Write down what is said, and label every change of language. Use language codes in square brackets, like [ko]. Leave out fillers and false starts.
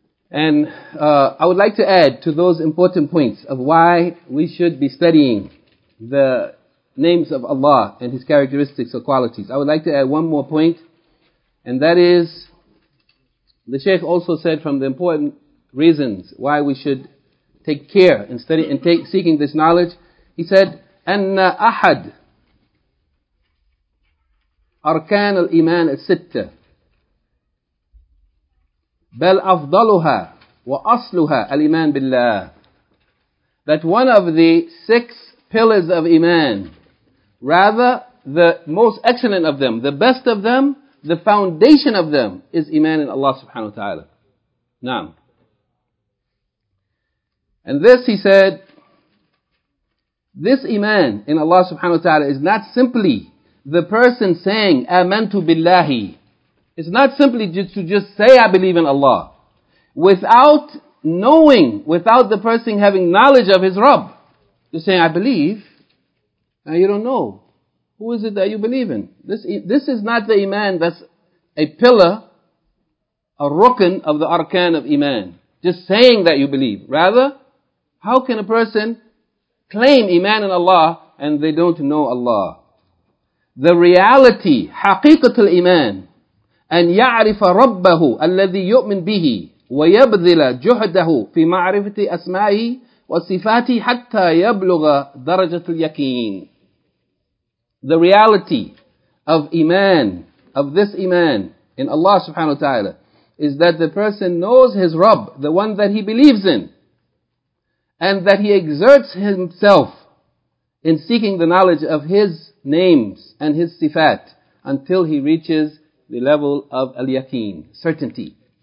[en] And I would like to add to those important points of why we should be studying the names of Allah and His characteristics or qualities. I would like to add one more point, and that is, the Shaykh also said from the important reasons why we should take care in studying and seeking this knowledge. He said, [ar] أَنَّ أَحَدْ أَرْكَانَ الْإِيمَانَ السِّتَّةِ بَلْ أَفْضَلُهَا وَأَصْلُهَا الْإِيمَانِ بِاللَّهِ. [en] That one of the six pillars of Iman, rather the most excellent of them, the best of them, the foundation of them, is Iman in Allah subhanahu wa ta'ala. Naam. And this, he said, this Iman in Allah subhanahu wa ta'ala is not simply the person saying, [ar] آمَنْتُ بِاللَّهِ. [en] It's not simply just to just say, I believe in Allah, without knowing, without the person having knowledge of his Rabb. Just saying, I believe, and you don't know. Who is it that you believe in? This is not the Iman that's a pillar, a rukn of the arkan of Iman. Just saying that you believe. Rather, how can a person claim Iman in Allah and they don't know Allah? The reality, haqiqatul Iman, [ar] أن يعرف ربه الذي يؤمن به ويبذل جهده في معرفة أسمائه وصفاته حتى يبلغ درجة اليقين. [en] The reality of Iman, of this iman in Allah subhanahu wa ta'ala is that the person knows his Rabb, the one that he believes in, and that he exerts himself in seeking the knowledge of his names and his sifat until he reaches the level of al-yaqeen, certainty.